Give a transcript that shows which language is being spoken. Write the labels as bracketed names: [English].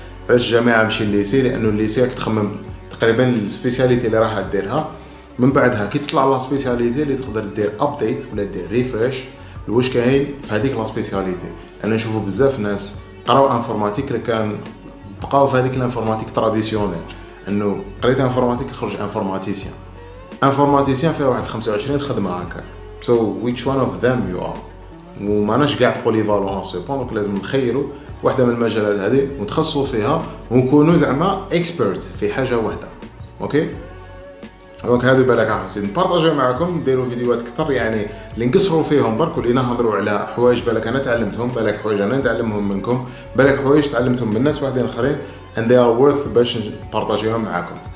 [Arabic] علاش الجامعة ماشي الليسي؟ لانه الليسي راك تخمم تقريبا السبيسياليتي اللي راح ديرها، من بعدها كي تطلع لا سبيسياليتي اللي تقدر دير ابديت ولا دير ريفريش واش كاين في هذيك لا سبيسياليتي. انا نشوفوا بزاف ناس قراو انفورماتيك لكان بقاو في هذيك الانفورماتيك تراديسيونيل، انه قريت انفورماتيك خرج انفورماتيسيان. انفورماتيسيان فيها واحد 25 خدمه هكا. [English] So which one of them you are. [Arabic] وماناش كاع بوليفالون سو بون، دونك لازم نخيروا واحده من المجالات هذه ونتخصصوا فيها ونكونوا زعما اكسبيرت في حاجه واحده. اوكي دونك هذا بالك خاصني نبارطاجي معكم، ديروا فيديوهات اكثر يعني اللي نقصروا فيهم برك، ولينا نهضروا على حوايج بالك انا تعلمتهم، بالك حوايج انا نتعلمهم منكم، بالك حوايج تعلمتهم من ناس واحدين اخرين، [English] and they are worth [Arabic] باش نبارطاجيهم معكم.